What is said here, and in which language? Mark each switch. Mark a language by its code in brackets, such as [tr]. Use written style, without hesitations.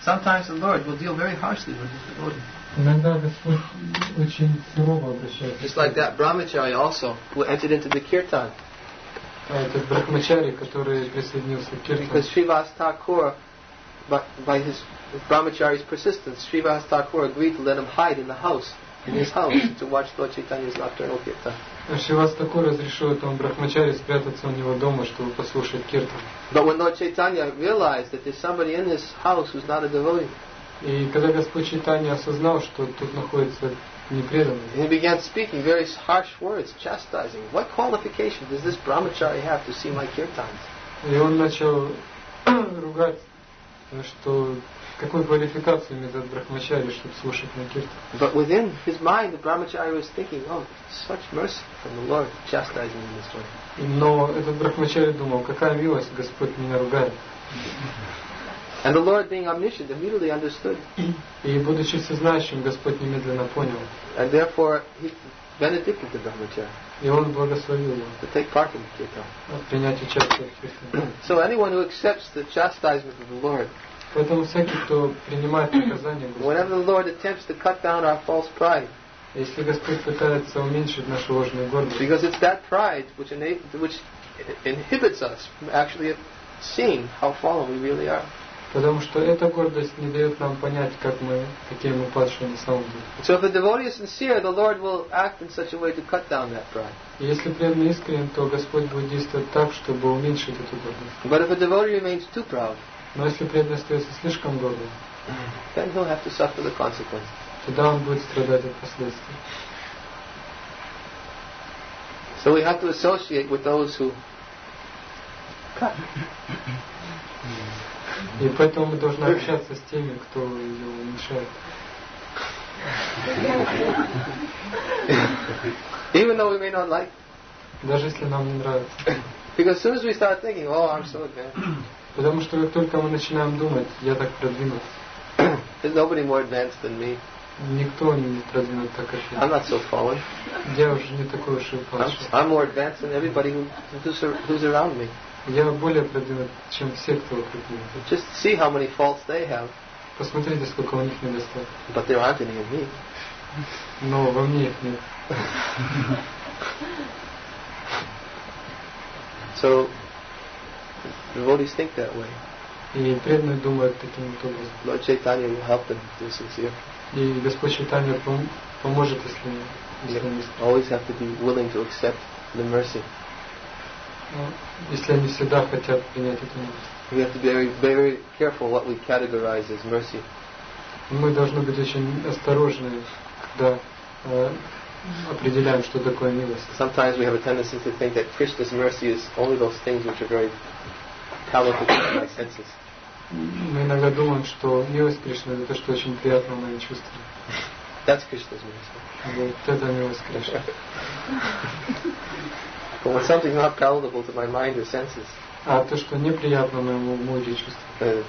[en] Sometimes the Lord will deal very harshly with his devotees. Just like that Brahmachari also, who entered into the kirtan. Because Srivas Thakur, by his Brahmachari's persistence, Srivas Thakur agreed to let him hide in the house. In his house to watch Lord Chaitanya's nocturnal kirtan. [ru] Шивас Такур разрешил этому брахмачари спрятаться у него дома, чтобы послушать киртан. [en] But when Lord Chaitanya realized that there's somebody in his house who's not a devotee. [ru] И когда Господь Чайтанья осознал, что тут находится непреданный. [en] He began speaking very harsh words, chastising. What qualification does this brahmachari have to see my kirtans? [ru] И он начал ругать, что какой квалификацией имеет этот брахмачари, чтобы слушать на киртан? [en] But within his mind, the brahmachari was thinking, oh, such mercy from the Lord chastising me this way. [ru] Но этот брахмачари думал, какая милость, Господь меня ругает. [en] And the Lord, being omniscient, immediately understood. [ru] И будучи всезнающим, Господь немедленно понял. [en] And therefore, he benedicted the brahmachari. [ru] И он благословил его. [en] To take part in the kirtan. [ru] Принять участие в киртане. [en] So anyone who accepts the chastisement of the Lord. [ru] Поэтому всякий, кто принимает наказание Господа. [en] Whenever the Lord attempts to cut down our false pride. [ru] Если Господь пытается уменьшить нашу ложную гордость. [en] Because it's that pride which inhibits us from actually seeing how fallen we really are. [ru] Потому что эта гордость не дает нам понять, как мы такие мы падшие на самом деле. [en] So if a devotee is sincere, the Lord will act in such a way to cut down that pride. [ru] Если преданный искренен, то Господь будет действовать так, чтобы уменьшить эту гордость. [en] But if a devotee remains too proud, [ru] но если преданный остается слишком гордым, [en] then he'll have to suffer the consequences. [ru] Тогда он будет страдать от последствий. [en] So we have to associate with those who cut. [ru] И поэтому мы должны общаться с теми, кто ее уменьшает. [en] Even though we may not like. [ru] Даже если нам не нравится. [en] Because as soon as we start thinking, oh, I'm so advanced. [ru] Потому что как только мы начинаем думать, я так продвинут. [en] There's nobody more advanced than me. [ru] Никто не продвинут так, как я. [en] I'm not so fallen. [ru] Я уже не такой уж и упавший. [en] I'm more advanced than everybody who's around me. [ru] Я более продвинут, чем все, кто вокруг меня. [en] Just see how many faults they have. [ru] Посмотрите, сколько у них недостатков. [en] But there aren't any in me. [ru] Но во мне их нет. [en] So, devotees think that way. [ru] И преданные думают таким образом. [en] Lord Chaitanya will help them to be sincere. [ru] И Господь Чайтанья поможет, если они... [en] Always have to be willing to accept the mercy. [ru] Если они всегда хотят принять эту милость. [en] We have to be very, very careful what we categorize as mercy. [ru] Мы должны быть очень осторожны, когда определяем, что такое милость. [en] Sometimes we have a tendency to think that Krishna's mercy is only those things which are very palatable to my senses. [ru] Мы иногда думаем, что милость Кришны это то, что очень приятно мои чувства. [en] That's Krishna's mercy. [ru] Вот это милость Кришны. [en] But when something not palatable to my mind or senses. [ru] А то, что неприятно моему уму или чувствам.